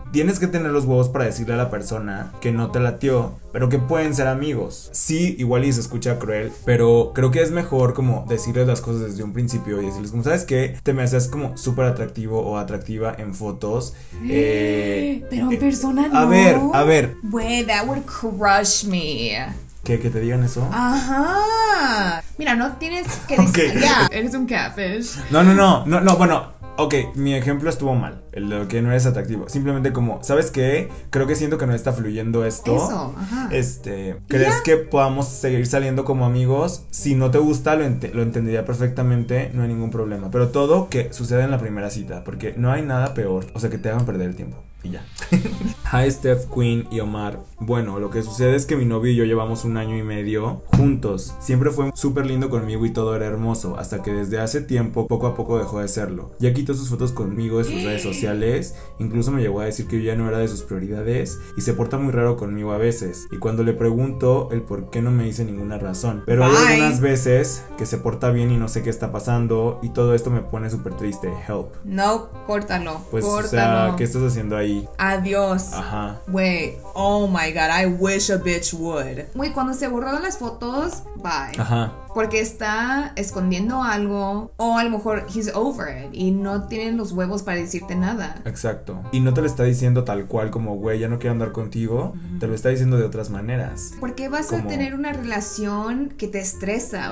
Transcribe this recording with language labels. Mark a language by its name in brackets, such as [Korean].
[Spanish] Tienes que tener los huevos para decirle a la persona que no te latió, pero que pueden ser amigos. Sí, igual y se escucha cruel, pero creo que es mejor como decirles las cosas desde un principio y decirles como, ¿sabes qué? Te me haces como súper atractivo o atractiva en fotos. Pero en persona no. A ver. [English] Güey, that would crush me. [Spanish] ¿Que te digan eso? Ajá. Mira, no tienes que decir. Okay. Ya. Eres un catfish. No. Bueno. Ok, mi ejemplo estuvo mal. El de que no eres atractivo. Simplemente como, ¿sabes qué? Creo que siento que no está fluyendo esto. Eso, ajá. ¿Crees que podamos seguir saliendo como amigos? Si no te gusta, lo entendería perfectamente. No hay ningún problema. Pero todo que sucede en la primera cita, porque no hay nada peor. O sea, que te hagan perder el tiempo. Y ya. Hi, Steph, Queen y Omar. Bueno, lo que sucede es que mi novio y yo llevamos un año y medio juntos. Siempre fue súper lindo conmigo y todo era hermoso, hasta que desde hace tiempo, poco a poco dejó de serlo. Ya quitó sus fotos conmigo de sus redes sociales, incluso me llegó a decir que yo ya no era de sus prioridades, y se porta muy raro conmigo a veces. Y cuando le pregunto el por qué, no me dice ninguna razón. Pero hay algunas veces que se porta bien y no sé qué está pasando, y todo esto me pone súper triste. [English] Help. [Spanish] No, córtalo. Pues, córtalo. O sea, ¿qué estás haciendo ahí? Adiós. Ajá. [English] Wait, oh my God, I wish a bitch would. [Spanish] Wait, cuando se borraron las fotos, bye. Ajá. Porque está escondiendo algo, o a lo mejor [English] he's over it [Spanish] y no tienen los huevos para decirte nada. Exacto. Y no te lo está diciendo tal cual como, güey, ya no quiero andar contigo. Mm-hmm. Te lo está diciendo de otras maneras. ¿Por qué vas a tener una relación que te estresa?